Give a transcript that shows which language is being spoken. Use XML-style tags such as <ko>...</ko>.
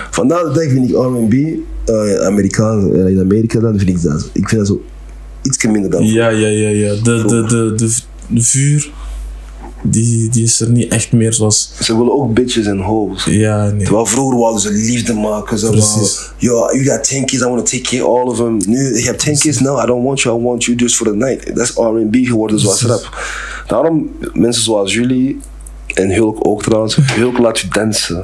<nl>Vandaar dat ik vind ik R&B, Amerikaans, in Amerika, dan vind ik dat. Ik vind dat zo iets minder dan. Ja. De vuur. Die is er niet echt meer zoals... Ze willen ook bitches en hoes. Ja, nee. Terwijl vroeger wilden ze liefde maken. Ze precies.</nl> <en>Yo, you got 10 kids, I want to take care of all of them. Nu, you have 10 kids, no, I don't want you, I want you just for the night.</en> <nl>That's R&B geworden zoals rap. Daarom, mensen zoals jullie en Hulk ook trouwens, Hulk laat je dansen.</nl>